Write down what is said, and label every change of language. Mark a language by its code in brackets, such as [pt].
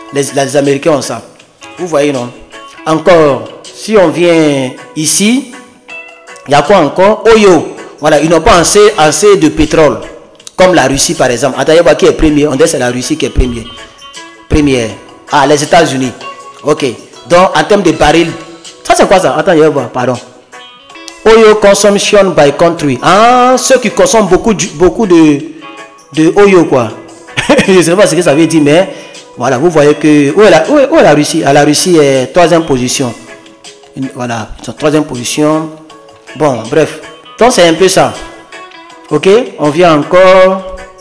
[fr] Les Américains ont ça. Vous voyez, non? Encore, si on vient ici, il y a quoi encore? Oyo! Voilà, ils n'ont pas assez de pétrole. Comme la Russie, par exemple. Attendez, qui est premier? On dit que c'est la Russie qui est premier. Première. Ah, les États-Unis. Ok. Donc, en termes de barils, ça c'est quoi ça? Attends, je vais voir, pardon. [en] Oil consumption by country. [fr] Ah, ceux qui consomment beaucoup de oil, quoi. Je ne sais pas ce que ça veut dire, mais voilà, vous voyez que. Où est la Russie? Ah, la Russie est troisième position. Voilà, ils sont troisième position. Bon, bref. Donc, c'est un peu ça. Ok? On vient encore.